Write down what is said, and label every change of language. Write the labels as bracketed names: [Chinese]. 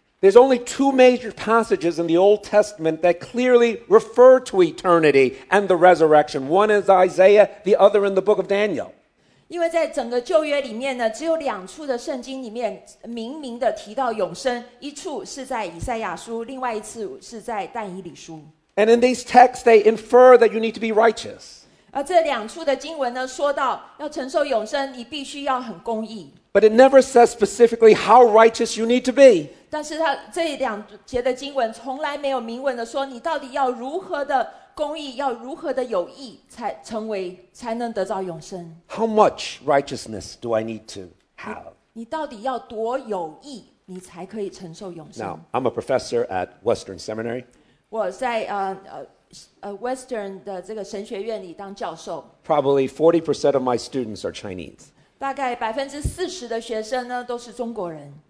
[English] There's only two major passages in the Old Testament that clearly refer to eternity and the resurrection. One is Isaiah, the other in the book of Daniel. [Chinese] 因为在整个旧约里面呢只有两处的圣经里面明明的提到永生一处是在以赛亚书另外一次是在但以理书 [English] And in these texts they infer that you need to be righteous. [Chinese] 而这两处的经文呢说到要承受永生你必须要很公义 [English] But it never says specifically how righteous you need to be [Chinese] 但是他这两节的经文从来没有明文的说你到底要如何的公义要如何的有义才成为才能得到永生。 [English] How much righteousness do I need to have? [Chinese] 你到底要多有义你才可以承受永生。 [English] Now, I'm a professor at Western Seminary. [Chinese] 我在Western 的这个神学院里当教授。 [English] Probably 40% of my students are Chinese. [Chinese] 大概40%的学生呢都是中国人。